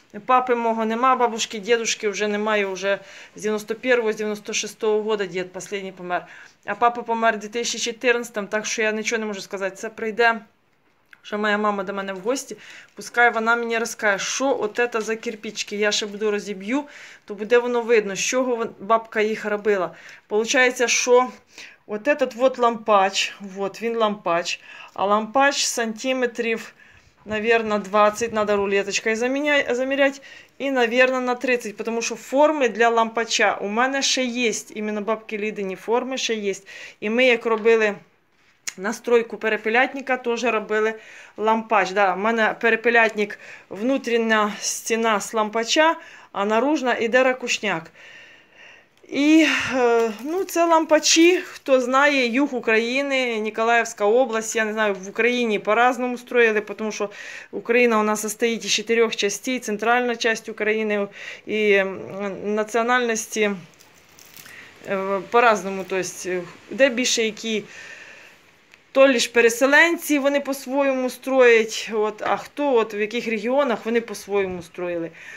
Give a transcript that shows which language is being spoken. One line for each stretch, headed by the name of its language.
Ukrainian: Папи мого нема, бабушки, дедушки вже немає, вже з 91-го, з 96-го года дід останній помер. А папа помер в 2014-м, так що я нічого не можу сказати. Це прийде, що моя мама до мене в гості, пускай вона мені розкаже, що от це за кирпички, я ще буду розіб'ю, то буде воно видно, з чого бабка їх робила. Получається, що...
Russian: Вот этот вот лампач,
Ukrainian: вот він лампач, а лампач сантиметрів,
Russian: наверное, 20, надо рулеточкой замерять, и, наверное, на 30, потому что формы для лампача у меня еще есть, именно бабки Лидини формы еще есть, и мы, как робили настройку перепелятника, тоже робили лампач, да, у меня перепелятник, внутренняя стена с лампача, а наружно идет ракушняк.
Ukrainian: І, ну, це лампачі, хто знає, юг України, Ніколаївська область, я не знаю, в Україні по-разному строїли, тому що Україна у нас состоїть із 4 частей, центральна часть України і національності по-разному, тобто, де більше які, то лише переселенці вони по-своєму строять, от, а хто, от, в яких регіонах вони по-своєму строїли.